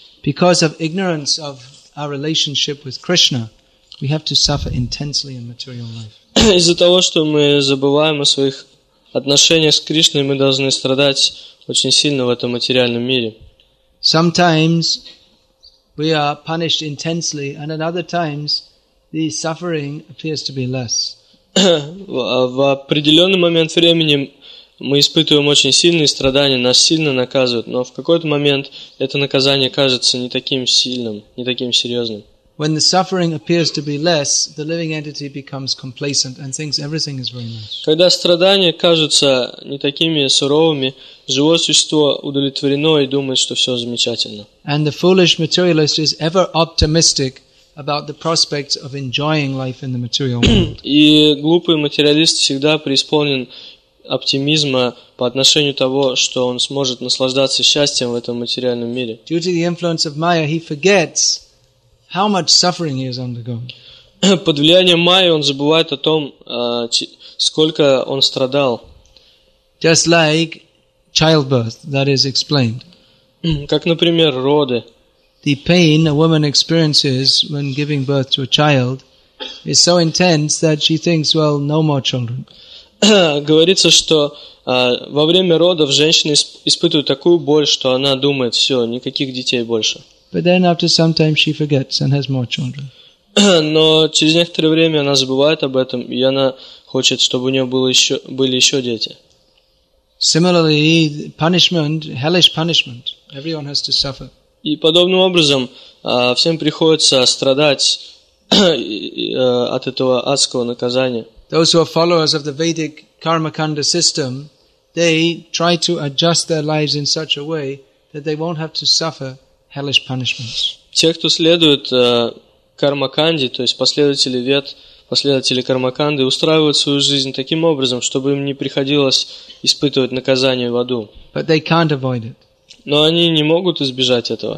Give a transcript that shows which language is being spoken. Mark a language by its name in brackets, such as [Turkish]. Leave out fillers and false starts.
[English] Because of ignorance of our relationship with Krishna, we have to suffer intensely in material life. [Russian] Из-за того, что мы забываем о своих отношения с Кришной, мы должны страдать очень сильно в этом материальном мире. [English] Sometimes we are punished intensely, and at other times the suffering appears to be less. [Russian] В определенный момент времени мы испытываем очень сильные страдания, нас сильно наказывают, но в какой-то момент это наказание кажется не таким сильным, не таким серьезным. [English] When the suffering appears to be less, the living entity becomes complacent and thinks everything is very nice. [Russian] Когда страдания кажутся не такими суровыми, живое существо удовлетворено и думает, что все замечательно. [English] And the foolish materialist is ever optimistic about the prospects of enjoying life in the material world. [Russian] И глупый материалист всегда преисполнен оптимизма по отношению того, что он сможет наслаждаться счастьем в этом материальном мире. [English] Due to the influence of Maya, he forgets how much suffering he is undergoing. [Russian] Под влиянием майи он забывает о том, сколько он страдал. [English] Just like childbirth, that is explained. [Russian] Как, например, роды. [English] The pain a woman experiences when giving birth to a child is so intense that she thinks, well, no more children. [Russian] Говорится, что во время родов женщина испытывает такую боль, что она думает, все, никаких детей больше. [English] But then after some time she forgets and has more children. [Russian] Но через некоторое время она забывает об этом, и она хочет, чтобы у нее были еще дети. [English] Similarly, punishment, hellish punishment, everyone has to suffer. [Russian] И подобным образом всем приходится страдать от этого адского наказания. [English] Those who are followers of the Vedic Karmakanda system, they try to adjust their lives in such a way that they won't have to suffer hellish punishments. [Russian] Те, кто следует кармаканде, то есть последователи вед, последователи кармаканды, устраивают свою жизнь таким образом, чтобы им не приходилось испытывать наказание в аду. [English] But they can't avoid it. [Russian] Но они не могут избежать этого.